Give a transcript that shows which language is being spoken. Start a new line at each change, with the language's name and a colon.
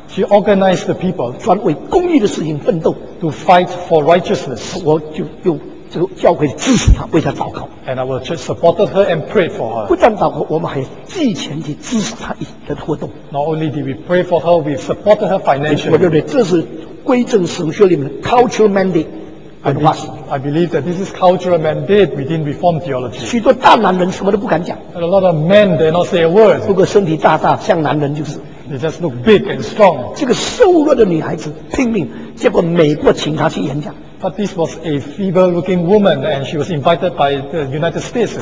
English: She organized the people
Chinese: 专为公义的事情奋斗
English: to fight for righteousness.
Chinese: 我就又这个教会支持她，为她祷告。
English: And our church supported her and prayed for her.
Chinese: 不但祷告，我们还寄钱去支持她的活动。
English: Not only did we pray for her, we supported her financially.
Chinese: 我认为这是归正神学里面的 cultural mandate。
English: I believe that this is cultural mandate within Reformed theology.
Chinese: 许多大男人什么都不敢讲。
English: And a lot of men dare not say a word.
Chinese: 不过身体大大像男人就是。
English: They just look big and strong.
Chinese: 这个瘦弱的女孩子拼命，结果美国请她去演讲。
English: But this was a feeble-looking woman, and she was invited by the United States to speak.